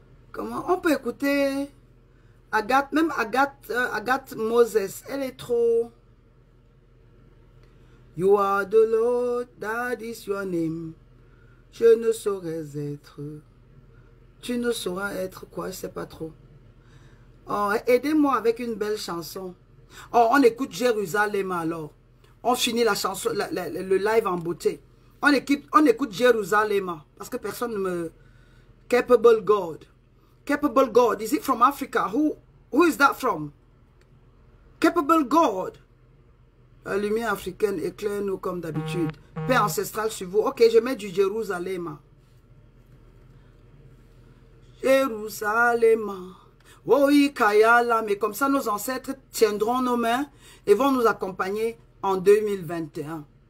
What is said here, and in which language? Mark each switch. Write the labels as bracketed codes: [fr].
[fr] Comment on peut écouter Agathe, même Agathe, Agathe Moses, elle est trop. [en] You are the Lord, that is your name. [fr] Je ne saurais être. Tu ne sauras être quoi, je ne sais pas trop. Oh, aidez-moi avec une belle chanson. Oh, on écoute Jérusalem alors. On finit la chanson, le live en beauté. On écoute Jérusalem parce que personne ne me... [en] Capable God, is it from Africa? Who is that from? Capable God. [fr] La lumière africaine éclaire nous comme d'habitude. Paix ancestrale sur vous. Ok, je mets du Jérusalem. Jérusalem. Oui, Kayala, mais comme ça, nos ancêtres tiendront nos mains et vont nous accompagner en 2021.